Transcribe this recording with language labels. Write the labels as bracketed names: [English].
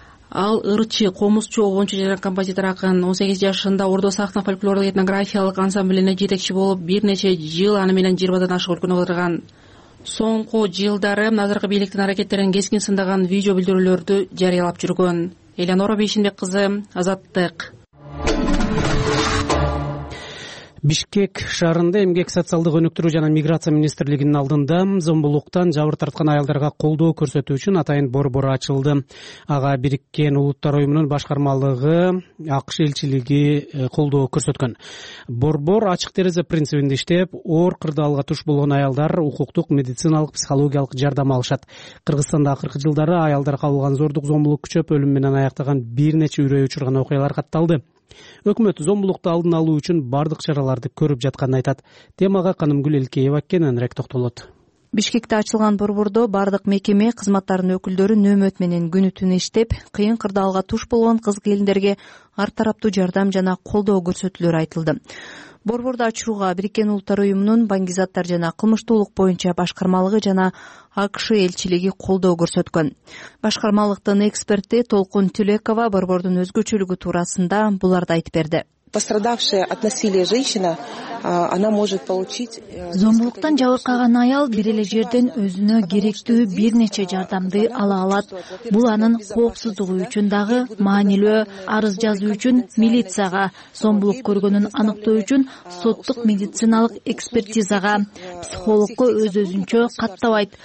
[Kyrgyz] Ал ырчы, комузчу, обончу жана композитор акын. 18 жашында Ордо сахна фольклорлук этнографиялык ансамблине жетекчи болуп, бир нече жыл аны менен 20 ашык өлкөнү алдырган. Соңку жылдары азыркы бийликтин аракеттерин кескин сындаган видео билдирүүлөрдү жарыялап жүргөн. Эленора Бейшенбек кызы, Азаттык. Бишкек шаарында эмгек социалдык өнүктүрүү жана миграция министрлигинин алдында зомбулуктан жабыр тарткан аялдарга колдоо көрсөтүү үчүн атайын борбору ачылды. Ага Бириккен Улуттар Уюмунун башкармалыгы АКШ элчилиги колдоо көрсөткөн. Борбор ачык терезе принцибинде иштеп, оор кырдаалга туш болгон аялдар укуктук, медициналык, психологиялык жардам алышат. Кыргызстанда акыркы жылдары аялдар кабылган зордук зомбулук күчөп өлүм менен аяктаган бир нече үрөй учурган окуялар катталды. Өкмөт зомбулукту алдын алуу үчүн бардык чараларды көрүп жатканын айтат. Темага Канымгүл Элкеева кененирээк токтолот. Бишкекте ачылган борбордо бардык мекеме кызматтарынын өкүлдөрү нөөмөт менен күнү түнү иштеп, кыйын кырдаалга туш болгон кыз келиндерге ар тараптуу жардам жана колдоо көрсөтүүлөр айтылды. Борборду ачууга Бириккен Улуттар Уюмунун баңгизаттар жана кылмыштуулук боюнча башкармалыгы жана АКШ элчилиги колдоо көрсөткөн. Башкармалыктын эксперти Толкун Түлекова борбордун өзгөчөлүгү туурасында буларды айтып берди. [Russian] Пострадавшая от насилия женщина, она может получить... [Kyrgyz] Зомбулуктан жабыркаган аял бир эле жерден өзүнө керектүү бир нече жардамды ала алат. Бул анын коопсуздугу үчүн дагы маанилүү. Арыз жазуу үчүн милицияга, зомбулук көргөнүн аныктоо үчүн соттук медициналык экспертизага, психологко өз-өзүнчө каттабайт.